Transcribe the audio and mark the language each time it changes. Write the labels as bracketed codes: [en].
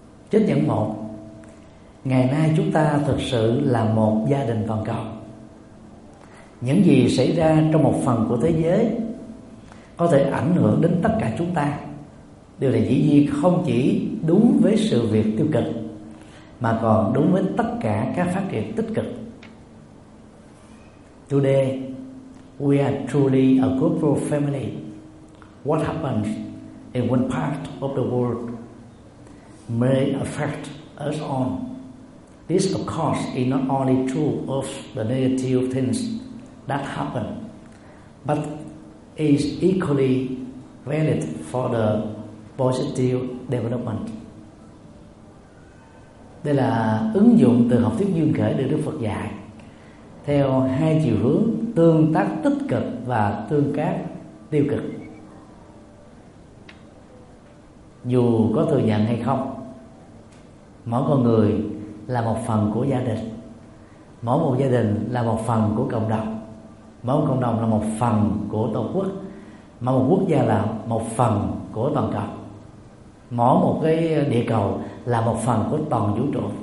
[vi] Chính nhận một, ngày nay chúng ta thực sự là một gia đình toàn cầu. Những gì xảy ra trong một phần của thế giới có thể ảnh hưởng đến tất cả chúng ta. Điều này dĩ nhiên không chỉ đúng với sự việc tiêu cực mà còn đúng với tất cả các phát triển tích cực. [en] Today we are truly a global family. What happens in one part of the world may affect us all. This of course is not only true of the negative things that happen, but is equally valid for the positive development. [vi] Đây là ứng dụng từ học thuyết Duyên Khởi được Đức Phật dạy theo hai chiều hướng tương tác tích cực và tương tác tiêu cực. Dù có thừa nhận hay không, mỗi con người là một phần của gia đình, mỗi một gia đình là một phần của cộng đồng, mỗi cộng đồng là một phần của tổ quốc, mỗi một quốc gia là một phần của toàn cầu, mỗi một cái địa cầu là một phần của toàn vũ trụ.